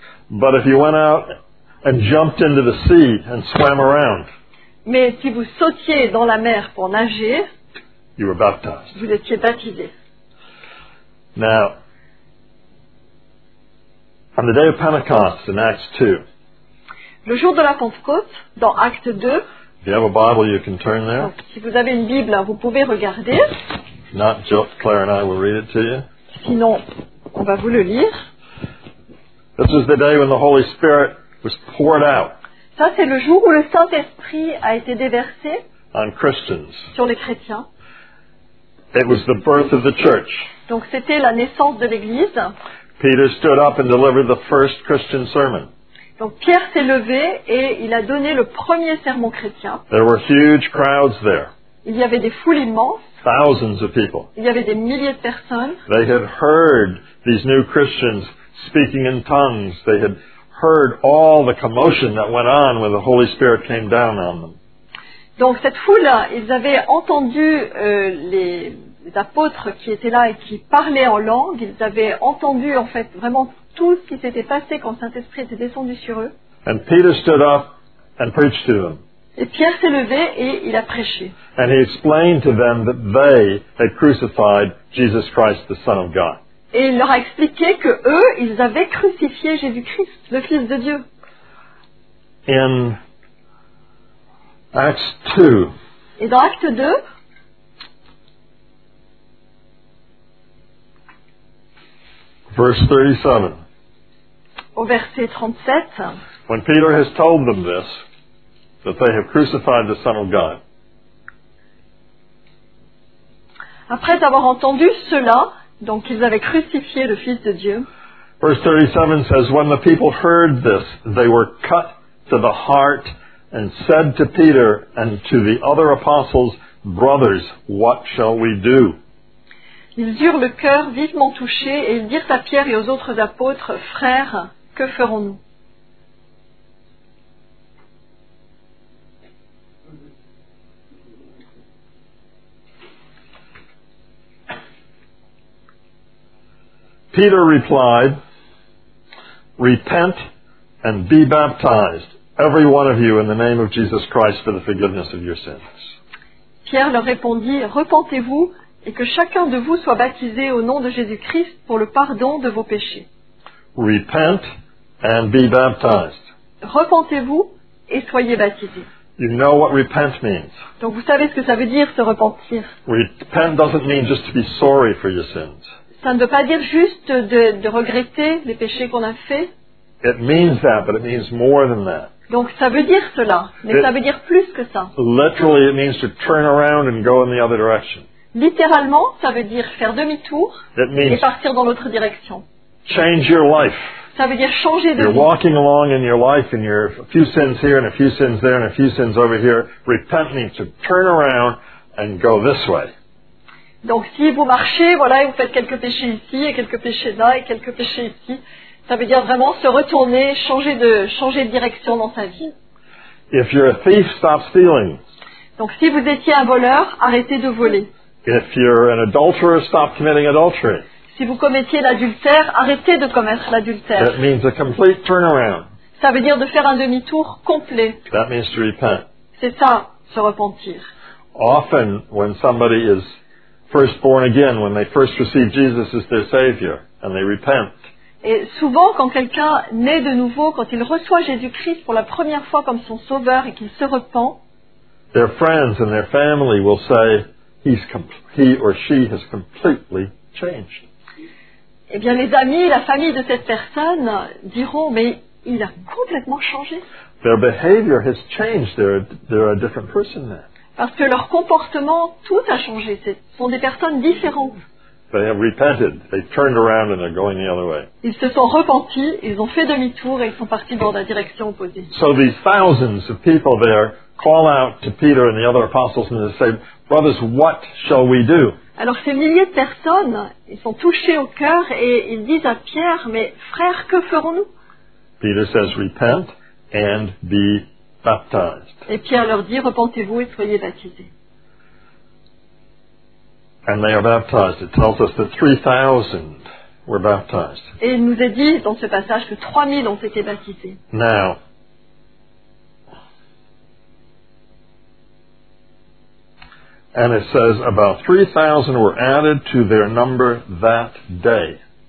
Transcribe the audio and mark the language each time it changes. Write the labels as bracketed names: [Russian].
[English] But if you went out and jumped into the sea and swam around. [French] Mais si vous sautiez dans la mer pour nager, [English] you were baptized. [French] Vous étiez baptisé. [English] Now, on the day of Pentecost in Acts 2, [French] le jour de la Pentecôte, dans Actes 2. [English] If you have a Bible, you can turn there. [French] Donc, si vous avez une Bible, vous pouvez regarder. [English] Not Jill, Claire and I will read it to you. [French] Sinon, on va vous le lire. [English] This is the day when the Holy Spirit was poured out. [French] Ça, c'est le jour où le Saint-Esprit a été déversé [English] on Christians. [French] Sur les chrétiens. [English] It was the birth of the church. [French] Donc c'était la naissance de l'Église. [English] Peter stood up and delivered the first Christian sermon. [French] Donc Pierre s'est levé et il a donné le premier sermon chrétien. [English] There were huge crowds there. [French] Il y avait des foules immenses. [English] Thousands of people. [French] Il y avait des milliers de personnes. [English] They had heard these new Christians speaking in tongues. They had heard all the commotion that went on when the Holy Spirit came down on them. [French] Donc cette foule, ils avaient entendu les apôtres qui étaient là et qui parlaient en langue. Ils avaient entendu en fait vraiment tout ce qui s'était passé quand Saint-Esprit était descendu sur eux. [English] And Peter stood up and preached to them. [French] Et Pierre s'est levé et il a prêché. [English] And he explained to them that they had crucified Jesus Christ, the Son of God. [French] Et il leur a expliqué que eux, ils avaient crucifié Jésus-Christ, le Fils de Dieu. [English] In Acts 2. [French] Et dans Acte 2. [English] Verse 37. [French] Au verset 37. [English] When Peter has told them this, that they have crucified the Son of God. [French] Après avoir entendu cela, donc ils avaient crucifié le Fils de Dieu. [English] Verse 37 says, when the people heard this, they were cut to the heart and said to Peter and to the other apostles, brothers, what shall we do? [French] Ils eurent le cœur vivement touché et ils dirent à Pierre et aux autres apôtres, frères, que ferons-nous? [English] Peter replied, repent and be baptized, every one of you, in the name of Jesus Christ for the forgiveness of your sins. [French] Pierre leur répondit, repentez-vous et que chacun de vous soit baptisé au nom de Jésus-Christ pour le pardon de vos péchés. [English] Repent and be baptized. [French] Repentez-vous et soyez baptisés. [English] You know what repent means. [French] Donc vous savez ce que ça veut dire, se repentir. [English] Repent doesn't mean just to be sorry for your sins. [French] Ça ne veut pas dire juste de regretter les péchés qu'on a faits. [English] It means that, but it means more than that. [French] Donc ça veut dire cela, mais ça veut dire plus que ça. [English] Literally, it means to turn around and go in the other direction. [French] Littéralement, ça veut dire faire demi-tour et partir dans l'autre direction. [English] Change your life. [French] Ça veut dire changer de [English] you're [French] vie. [English] You're walking along in your life and you're a few sins here and a few sins there and a few sins over here. Repent means to turn around and go this way. [French] Donc si vous marchez, voilà, et vous faites quelques péchés ici, et quelques péchés là, et quelques péchés ici, ça veut dire vraiment se retourner, changer de direction dans sa vie. [English] If you're a thief, stop stealing. [French] Donc si vous étiez un voleur, arrêtez de voler. [English] If you're an adulterer, stop committing adultery. [French] Si vous commettiez l'adultère, arrêtez de commettre l'adultère. [English] That means a complete turnaround. [French] Ça veut dire de faire un demi-tour complet. [English] That means to repent. [French] C'est ça, se repentir. [English] Often, when somebody is first born again, when they first receive Jesus as their Savior, and they repent. [French] Et souvent, quand quelqu'un naît de nouveau, quand il reçoit Jésus-Christ pour la première fois comme son Sauveur et qu'il se repent, [English] their friends and their family will say he or she has completely changed. [French] Eh bien, les amis, la famille de cette personne diront, mais il a complètement changé. [English] Their behavior has changed. They're a different person now. [French] Parce que leur comportement, tout a changé. Ce sont des personnes différentes. [English] They have repented. They turned around and they're going the other way. [French] Ils se sont repentis, ils ont fait demi-tour et ils sont partis dans la direction opposée. [English] So these thousands of people there call out to Peter and the other apostles and they say, brothers, what shall we do? [French] Alors ces milliers de personnes, ils sont touchés au cœur et ils disent à Pierre, mais frère, que ferons-nous? [English] Peter says, repent and be baptized. [French] Et Pierre leur dit, repentez-vous et soyez baptisés. [English] And they are baptized. It tells us that 3,000 were baptized. [French] Et il nous est dit dans ce passage que 3,000 ont été baptisés. [English] Now, and it says about 3,000 were added to their number that day.